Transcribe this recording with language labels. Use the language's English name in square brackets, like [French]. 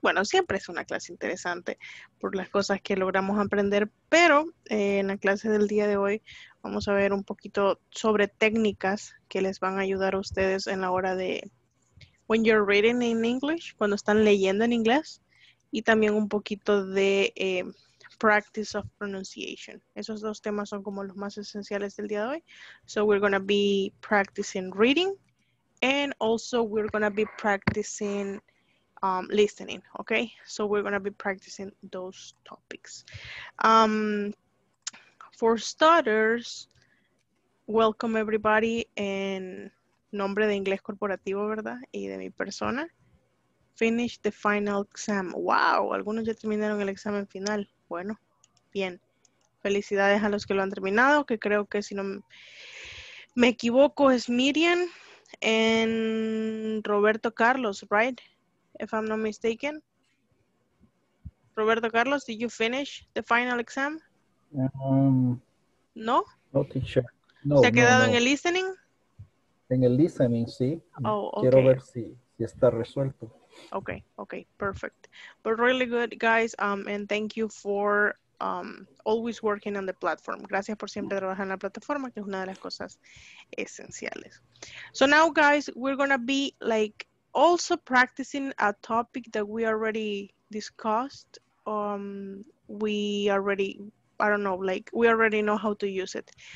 [Spanish] Bueno, siempre es una clase interesante por las cosas que logramos aprender, pero en la clase del día de hoy vamos a ver un poquito sobre técnicas que les van a ayudar a ustedes en la hora de [English] when you're reading in English, [Spanish] cuando están leyendo en inglés, y también un poquito de [English] practice of pronunciation. [Spanish] Esos dos temas son como los más esenciales del día de hoy. [English] So we're going to be practicing reading and also we're going to be practicing listening, okay? So we're going to be practicing those topics. For starters, welcome everybody in [Spanish] nombre de inglés corporativo, ¿verdad? Y de mi persona. [English] Finish the final exam. [Spanish] Wow, algunos ya terminaron el examen final. Bueno, bien. Felicidades a los que lo han terminado, que creo que si no me equivoco es Miriam en Roberto Carlos, right? [English] If I'm not mistaken. Roberto Carlos, did you finish the final exam? No. No, teacher. No, [Spanish] ¿se ha quedado no, no. En el listening? En el listening, sí. [English] Oh, okay. [Spanish] Quiero ver si está resuelto. [English] Okay, okay, perfect. But really good, guys, and thank you for always working on the platform. [Spanish] Gracias por siempre trabajar en la plataforma, que es una de las cosas esenciales. [English] So now, guys, we're going to be, like, also practicing a topic that we already discussed. We already, I don't know, like, we already know how to use it.